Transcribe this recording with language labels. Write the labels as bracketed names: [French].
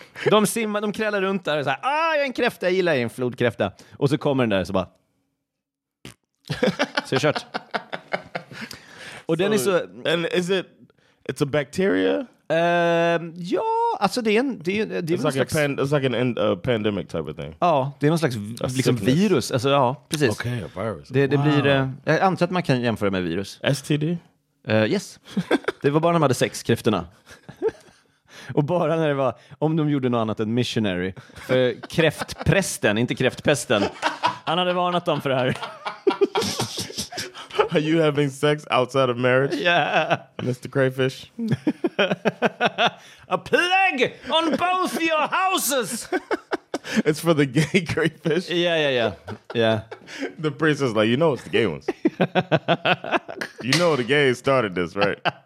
[Swedish] De simmar, de krälar runt där och så här, jag är en kräfta, jag gillar en flodkräfta. Och så kommer den där så bara. Så jag kört. Och den är så, [English] and is it, it's a bacteria? [Swedish] Ja, alltså det är en, det är [English] it's, like [Swedish] slags, [English] it's like an a pandemic type of thing. [Swedish] Ja, det är någon slags liksom virus. Alltså ja, precis. [English] Okay, a virus. [Swedish] Det wow. Blir, jag antar att man kan jämföra med virus. [English] STD? Yes. [Swedish] Det var bara när man hade sex, kräftorna. Och bara när det var, om de gjorde något annat än missionary. För kräftprästen, inte kräftpesten. Han hade varnat dem för det här. [English] Are you having sex outside of marriage? Yeah. Mr. Crayfish? A plague on both your houses! It's for the gay crayfish? Yeah. The priest is like, you know it's the gay ones. You know the gays started this, right?